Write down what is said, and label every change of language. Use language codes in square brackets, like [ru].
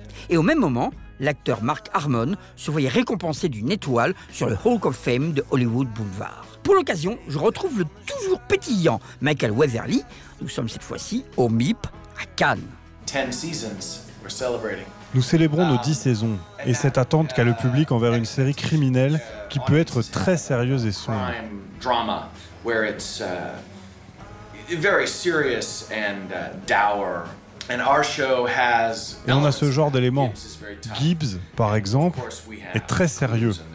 [fr] Et au même moment, l'acteur Mark Harmon se voyait récompensé d'une étoile sur le Hall of Fame de Hollywood Boulevard. Pour l'occasion, je retrouve le toujours pétillant Michael Weatherly. Nous sommes cette fois-ci au MIP à Cannes. [en] 10 seasons, we're celebrating. [fr] Nous célébrons nos 10 saisons et cette attente qu'a le public envers une série criminelle qui peut être très sérieuse et sombre. [en] Drama where it's very serious and dour. [fr] Et on a ce genre d'éléments. Gibbs, par exemple, est très sérieux.